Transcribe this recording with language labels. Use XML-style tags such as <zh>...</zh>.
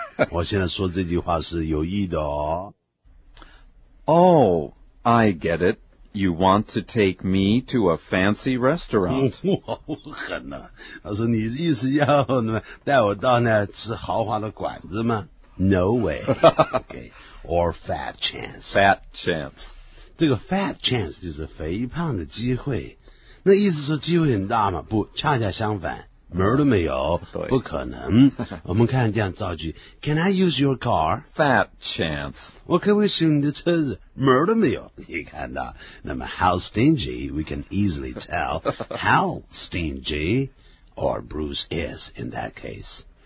<zh>我现在说这句话是有意的哦。</zh> <en>Oh, I get it. You want to take me to a fancy restaurant.</en> <zh>狠啊。他说你意思要带我到那吃豪华的馆子吗？</zh> <en>No way. Okay. Or fat chance. Fat chance.</en> <zh>这个 fat chance 就是肥胖的机会。那意思说机会很大吗？不，恰恰相反。门都没有，不可能。我们看这样造句</zh> <en>，Can I use your car? Fat chance.</en> <zh>我可不可以使用你的车子？门都没有，你看到。那么 ，</zh> <en>How stingy? We can easily tell how stingy or Bruce is in that case.</en>